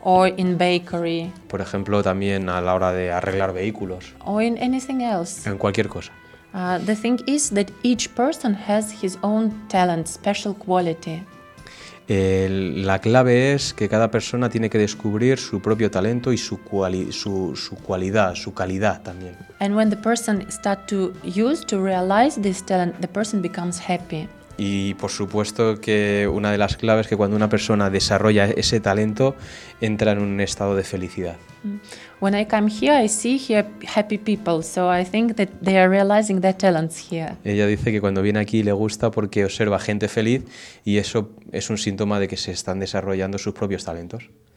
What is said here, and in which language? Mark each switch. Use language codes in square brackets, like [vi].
[en] Or in bakery. [es] Por ejemplo, también a la hora de arreglar vehículos. [en] Or in anything else. [es] En cualquier cosa. [en] The thing is that each person has his own talent, special quality. [es] La clave es que cada persona tiene que descubrir su propio talento y su calidad también. [en] And when the person start to use to realize this talent, the person becomes happy. [es] Y por supuesto que una de las claves es que cuando una persona desarrolla ese talento entra en un estado de felicidad. [en] When I come here, I see here happy people, so I think that they are realizing their talents here. [es] Ella dice que cuando viene aquí le gusta porque observa gente feliz y eso es un síntoma de que se están desarrollando sus propios talentos.